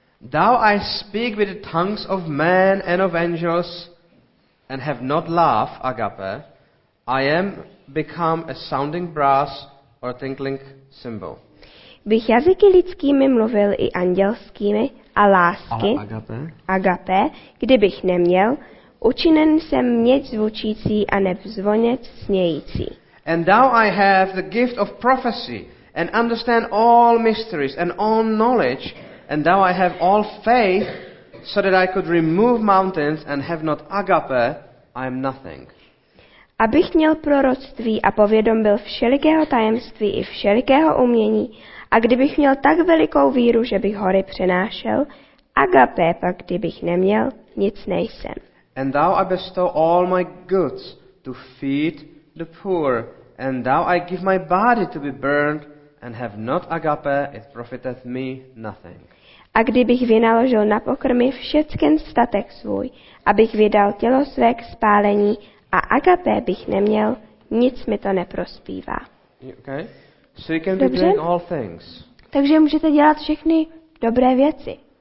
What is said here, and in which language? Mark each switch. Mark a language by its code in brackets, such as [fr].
[en] Thou I speak with the tongues of men and of angels and have not love, agape, I am become a sounding brass or tinkling cymbal. [cs] Bych jazyky lidskými mluvil i andělskými a lásky, [el] agape, [cs] kdybych neměl, učinen jsem měť zvučící a ne zvonec snějící. [en] And thou I have the gift of prophecy and understand all mysteries and all knowledge, and thou I have all faith so that I could remove mountains and have not agape, I am nothing. [cs] Abych měl proroctví a povědom byl všelikého tajemství i všelikého umění, a kdybych měl tak velikou víru, že bych hory přenášel, agape pak kdybych neměl, nic nejsem. [en] And thou I bestow all my goods to feed the poor, and thou I give my body to be burned, and have not agape, it profiteth me nothing. [cs] A kdybych vynaložil na pokrmy všecken statek svůj, abych vydal tělo své k spálení, a agape bych neměl, nic mi to neprospívá. [en] Okay. So you can be doing all things. [cs] Takže můžete dělat všechny dobré věci.